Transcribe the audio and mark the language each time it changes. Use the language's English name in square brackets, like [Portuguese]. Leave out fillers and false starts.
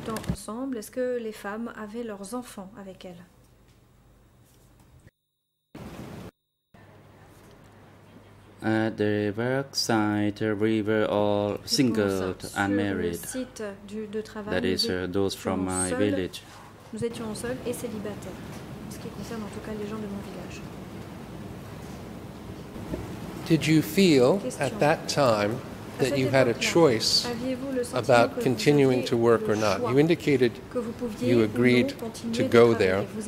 [French] Ensemble, est-ce que les femmes avaient leurs enfants avec elles? [English] At the work site, we were all single, unmarried. That is, those from my village. [French] Nous étions seuls et célibataires, ce qui concerne en tout cas les gens de mon village. [English] Did you feel at that time that you had a choice about continuing to work or not. You indicated you agreed to go there.